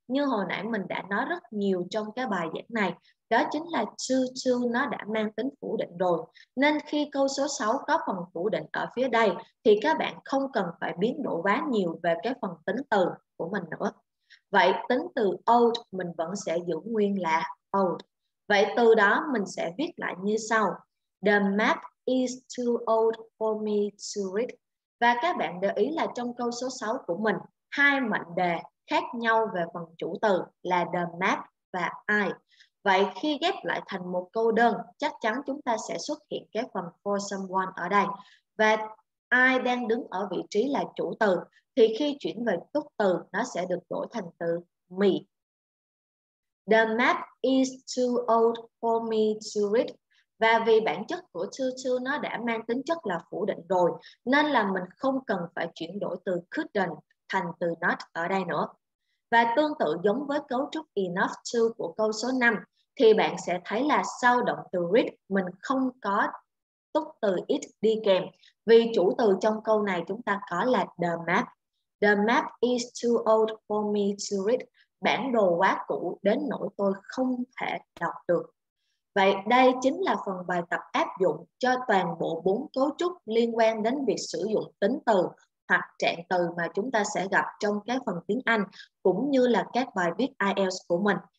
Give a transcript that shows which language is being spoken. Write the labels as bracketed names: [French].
[Vietnamese] Như hồi nãy mình đã nói rất nhiều trong cái bài giảng này, đó chính là to to nó đã mang tính phủ định rồi. Nên khi câu số 6 có phần phủ định ở phía đây, thì các bạn không cần phải biến đổi quá nhiều về cái phần tính từ của mình nữa. Vậy tính từ old mình vẫn sẽ giữ nguyên là old. Vậy từ đó mình sẽ viết lại như sau. [English] The map is too old for me to read. [Vietnamese] Và các bạn để ý là trong câu số 6 của mình, hai mệnh đề khác nhau về phần chủ từ là [English] the map [Vietnamese] và I. Vậy khi ghép lại thành một câu đơn, chắc chắn chúng ta sẽ xuất hiện cái phần [English] for someone [Vietnamese] ở đây. Và I đang đứng ở vị trí là chủ từ, thì khi chuyển về tốt từ, nó sẽ được đổi thành từ me. [English] The map is too old for me to read. [Vietnamese] Và vì bản chất của too too nó đã mang tính chất là phủ định rồi, nên là mình không cần phải chuyển đổi từ couldn't thành từ not ở đây nữa. Và tương tự giống với cấu trúc enough to của câu số 5, thì bạn sẽ thấy là sau động từ read, mình không có túc từ it đi kèm. Vì chủ từ trong câu này chúng ta có là the map. [English] The map is too old for me to read. [Vietnamese] Bản đồ quá cũ đến nỗi tôi không thể đọc được. Vậy đây chính là phần bài tập áp dụng cho toàn bộ 4 cấu trúc liên quan đến việc sử dụng tính từ hoặc trạng từ mà chúng ta sẽ gặp trong các phần tiếng Anh cũng như là các bài viết IELTS của mình.